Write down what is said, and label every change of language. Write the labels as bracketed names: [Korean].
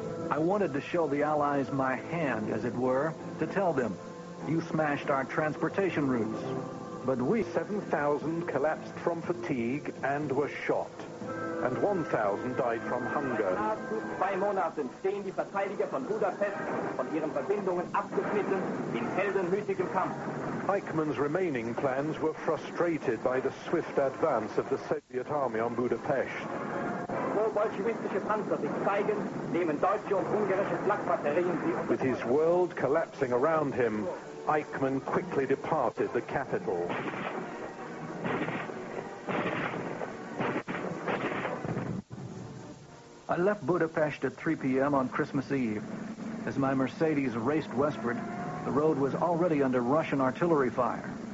[English] "I wanted to show the Allies my hand, as it were, to tell them, you smashed our transportation routes. But we..." 7,000 collapsed from fatigue and were shot, and 1,000 died from hunger. [German] "Zwei Monaten stehen die Verteidiger von Budapest von ihren Verbindungen abgeschnitten in heldenmütigem Kampf." [English] Eichmann's remaining plans were frustrated by the swift advance of the Soviet army on Budapest. [German] "Bolschewistische Panzer sich zeigen, nehmen deutsche und ungarische Flakbatterien sie..." [English] With his world collapsing around him, Eichmann quickly departed the capital. "I left Budapest at 3 p.m. on Christmas Eve. As my Mercedes raced westward, the road was already under Russian artillery fire.